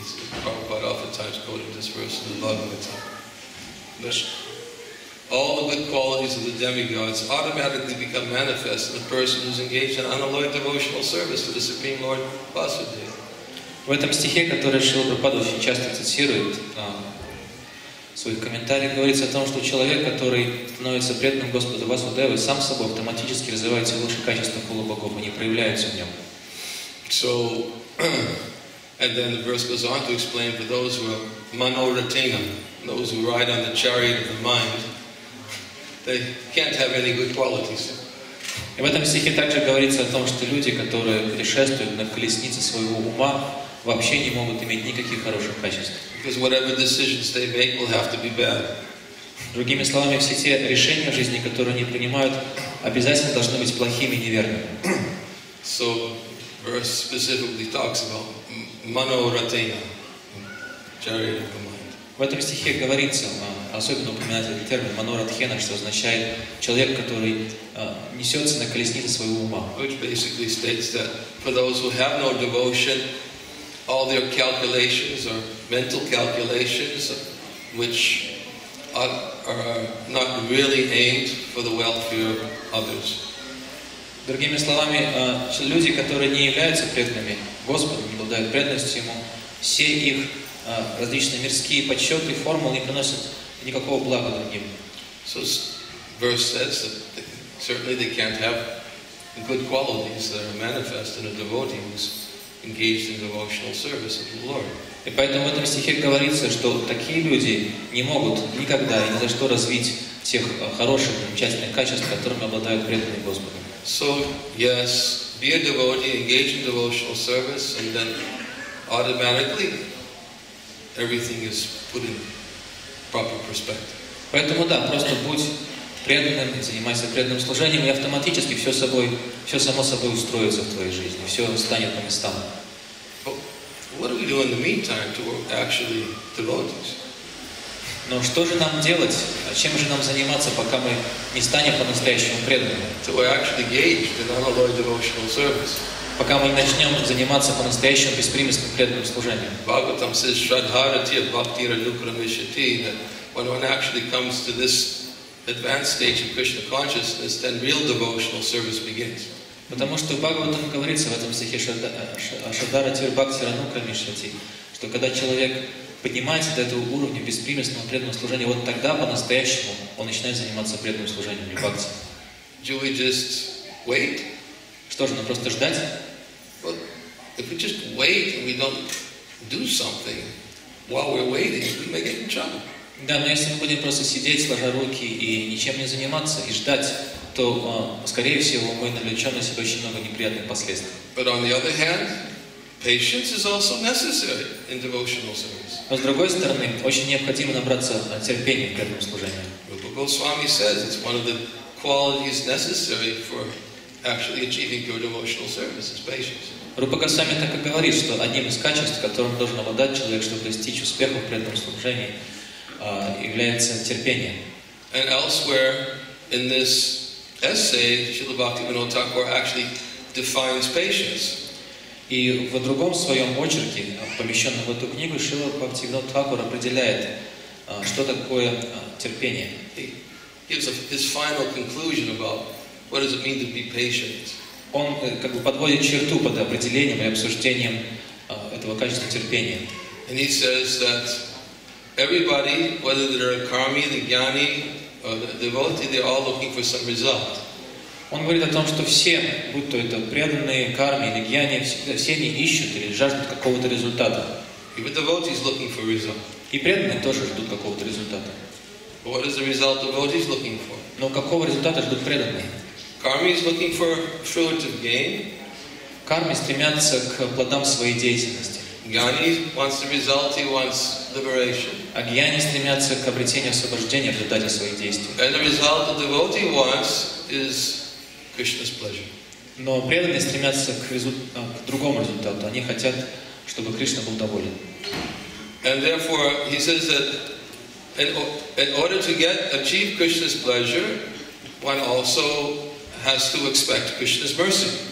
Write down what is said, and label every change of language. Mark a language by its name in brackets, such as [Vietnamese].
[English] It's Prabhupada oftentimes quoted this verse in the Bhagavatam. All the good qualities of the demigods automatically become manifest in the person who's engaged in unalloyed devotional service to the Supreme Lord Vasudeva. [Russian] В этом стихе, который Шрила Прабхупада очень часто цитирует в своих комментариях, говорится о том, что человек, который становится преданным Господу Васудевой, сам собой автоматически развивает все лучшие качества полубогов, они проявляются в нем. [English] So, and then the verse goes on to explain for those who are manoratina, those who ride on the chariot of the mind, they can't have any good qualities. [Russian] И в этом стихе также говорится о том, что люди, которые путешествуют на колеснице своего ума, вообще не могут иметь никаких хороших качеств. [English] Because whatever decisions they make will have to be bad. [Russian] Другими словами, все те решения в жизни, которые они принимают, обязательно должны быть плохими и неверными. [English] So, verse specifically talks about manoratena, chariot of the mind. [Russian] В этом стихе говорится, особенно упоминается этот термин маноратхена, что означает человек, который несется на колеснице своего ума. [English] Which basically states that for those who have no devotion, all their calculations or mental calculations, which are not really aimed for the welfare of others. [Russian] Другими словами, люди, которые не являются преданными Господу, не обладают преданностью Ему, все их различные мирские подсчеты, формулы не приносят никакого блага другим. [English] So, verse says that certainly they can't have the good qualities that are manifest in a devotee who's engaged in devotional service of the Lord. [Russian] И поэтому в этом стихе говорится, что такие люди не могут никогда и ни за что развить тех хороших, замечательных качеств, которыми обладают преданные Господу. [English] So, yes, be a devotee, engage in devotional service, and then automatically everything is put in proper perspective. [Russian] Поэтому да, просто будь преданным, занимайся преданным служением, и автоматически все само собой устроится в твоей жизни, все станет по местам. [English] What do we do in the meantime to actually devotees? [Russian] Но что же нам делать? Чем же нам заниматься, пока мы не станем по-настоящему преданными? [English] To actually engage in unalloyed devotional service. [Russian] Пока мы не начнем заниматься по-настоящему беспримесным преданным служением. [English] Bhagavatam says [Sanskrit] shradharati bhaktira nukramishati, [English] that when one actually comes to this advanced stage of Krishna consciousness, then real devotional service begins. [Russian] Потому что в Бхагаватам говорится в этом стихе [Sanskrit] Шадаратир Бхактира Нукрамишати, [Russian] что когда человек поднимается до этого уровня беспримесного преданного служения, вот тогда по-настоящему он начинает заниматься преданным служением и бхакти. [English] Do we just wait? [Russian] Что же, нам просто ждать? [English] Well, if we just wait and we don't do something while we're waiting, we may get in trouble. [Russian] Да, но если мы будем просто сидеть, сложа руки и ничем не заниматься и ждать, то, скорее всего, мы навлечем на себя очень много неприятных последствий. [English] But on the other hand, patience is also necessary in devotional service. [Russian] Но с другой стороны, очень необходимо набраться терпения к этому служению. [English] Rupa Goswami says it's one of the qualities necessary for actually achieving pure devotional service is patience. [Russian] Rupa Goswami так и говорит, что одним из качеств, которым должен обладать человек, чтобы достичь успеха в преданном служении, является терпение. [English] And elsewhere in this essay, Śrīla Bhaktivinoda Thakura actually defines patience. [Russian] И в другом своем очерке, помещенном в эту книгу, Śrīla Bhaktivinoda Thakura определяет, что такое терпение. [English] He gives his final conclusion about What does it mean to be patient? [Russian] Он как бы подводит черту под определением и обсуждением этого качества терпения. [English] And he says that everybody, whether they're a karmi, the jnani, the devotee, they're all looking for some result. [Russian] Он говорит о том, что все, будь то это преданные карми или гьяни, все они ищут или жаждут какого-то результата. [English] Even the devotee is looking for result. [Russian] И преданные тоже ждут какого-то результата. [English] But what is the result the devotee is looking for? [Russian] Но какого результата ждут преданные? [English] Karmi is looking for fruit of gain. [Russian] Карми стремятся к плодам своей деятельности. [English] Gyani wants the result, he wants liberation. [Russian] А гьяни стремятся к обретению освобождения в результате своих действий. [English] And the result the devotee wants is Krishna's pleasure. [Russian] Но преданные стремятся к другому результату. Они хотят, чтобы Кришна был доволен. [English] And therefore, he says that in order to achieve Krishna's pleasure, one also has to expect Krishna's mercy.